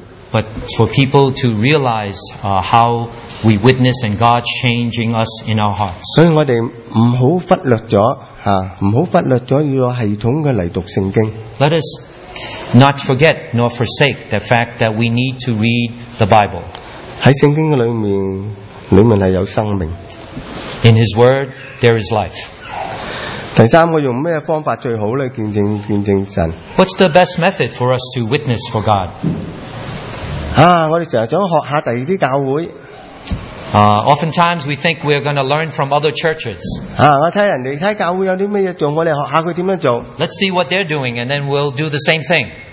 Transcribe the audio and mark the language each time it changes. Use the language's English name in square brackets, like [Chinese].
[English] but for people to realize how we witness and God changing us in our hearts. [Chinese] 所以我们不要忽略了系统的来读圣经。 [English] Let us not forget nor forsake the fact that we need to read the Bible. [Chinese] 在圣经里面, [English] in His word, there is life. [Chinese] 第三个用什么方法最好呢见证神? [English] What's the best method for us to witness for God? [Chinese] 啊, 我们常常想学一下其他教会, [English] oftentimes we think we're going to learn from other churches. [Chinese] 啊, 我看人家, [English] let's see what they're doing and then we'll do the same thing.